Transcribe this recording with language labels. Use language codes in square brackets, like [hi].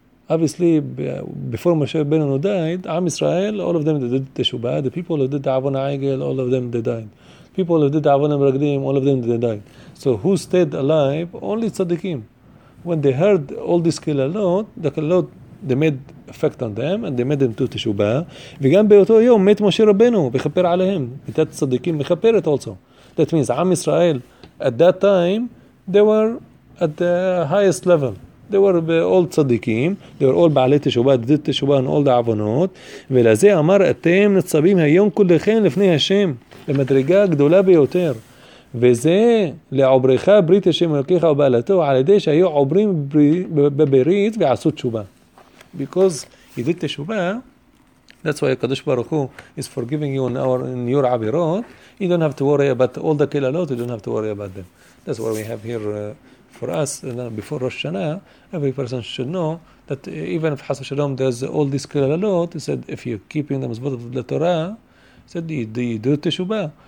[en] Obviously, before Moshe Rabbeinu died, עם ישראל, all of them did תשובה, the people who did עוון העגל, all of them they died. People who did עוון המרגלים, all of them they died. So who stayed alive? Only צדיקים. When they heard all this קללות, the קללות, they made effect on them, and they made them to תשובה. [he] וגם באותו יום מת משה רבנו, מכפר עליהם. מיתת צדיקים מכפרת [en] also. That means עם ישראל, at that time, they were at the highest level. They were all tzaddikim. They were all ba'alei teshuvah, did teshuvah and all the avonot. [he] ולזה אמר, אתם נצבים היום כולכם לפני השם, למדרגה גדולה ביותר. וזה לעובריך ברית השם הולכיך ובעלתו, על ידי שהיו עוברים בברית ועשו תשובה. [en] Because he did teshuvah, that's why Kadosh Baruch Hu is forgiving you in your avirot. You don't have to worry about all the kilalot. You don't have to worry about them. That's what we have here for us. Before Rosh Hashanah, every person should know that even if Chas v'Shalom does all these kilalot, he said, if you're keeping the mitzvot of the Torah, he said, you do teshuvah.